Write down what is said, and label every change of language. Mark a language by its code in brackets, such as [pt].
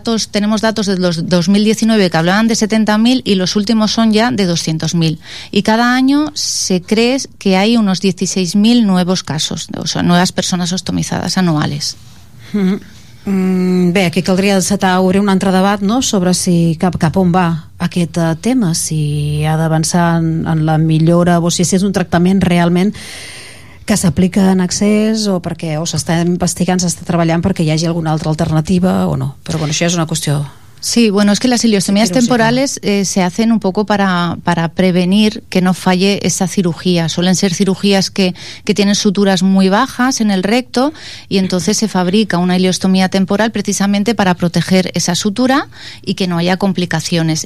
[es] Tenemos datos de los 2019 que hablaban de 70.000 y los últimos son ya de 200.000. Y cada año se cree que hay unos 16.000 nuevos casos, o sea, nuevas personas ostomizadas anuales. [ca] Bé, aquí caldria encetar a obrir un altre debat, no?, sobre si cap on va aquest tema, si ha d'avançar en la millora, o si és un tractament realment que s'aplica en excés, o s'està investigant, s'està treballant perquè hi hagi alguna altra alternativa o no. Però bueno, això és una qüestió... [es] Sí, bueno, es que las ileostomías temporales se hacen un poco para prevenir que no falle esa cirugía. Suelen ser cirugías que tienen suturas muy bajas en el recto y entonces se fabrica una ileostomía temporal precisamente para proteger esa sutura y que no haya complicaciones.